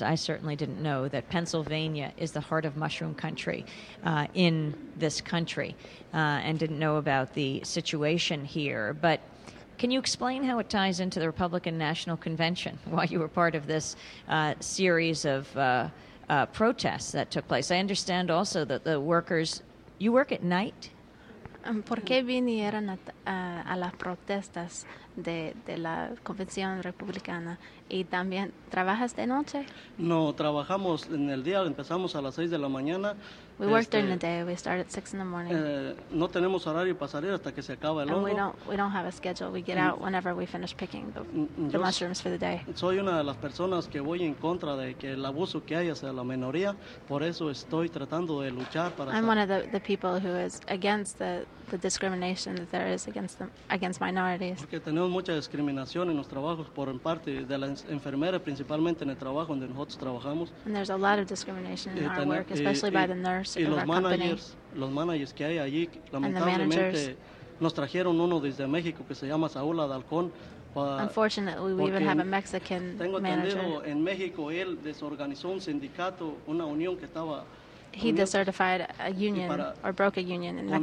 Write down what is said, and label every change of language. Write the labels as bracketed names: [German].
[English] I certainly didn't know that Pennsylvania is the heart of mushroom country in this country and didn't know about the situation here. But can you explain how it ties into the Republican National Convention, why you were part of this series of protests that took place? I understand also that the workers, you work at night? [Spanish] ¿Por qué vinieron a las protestas de la Convención Republicana? ¿Y también trabajas de noche? No, trabajamos en el día, empezamos a las 6 de la mañana. [English] We work during the day, we start at 6 in the morning. [Spanish] No tenemos horario para salir hasta que se acaba el hongo. [English] We don't have a schedule, we get out whenever we finish picking the mushrooms for the day. [Spanish] Soy una de las personas que voy en contra de que el abuso que hay hacia la minoría, por eso estoy tratando de luchar para... [English] I'm one of the people who is against the discrimination that there is against minorities. [Spanish] Porque tenemos mucha discriminación en los trabajos por en parte de las enfermeras, principalmente en el trabajo donde nosotros trabajamos. [English] And there's a lot of discrimination in our work, especially by the nurse [Spanish] y los managers que hay allí, lamentablemente nos trajeron uno desde México que se llama Saúl Adalcón. [English] Unfortunately, we even have a Mexican [Spanish] tengo [English] manager. [Spanish] Tengo entendido en México, él desorganizó un sindicato, una unión que estaba... [English] He decertified a union or broke a union in Mexico.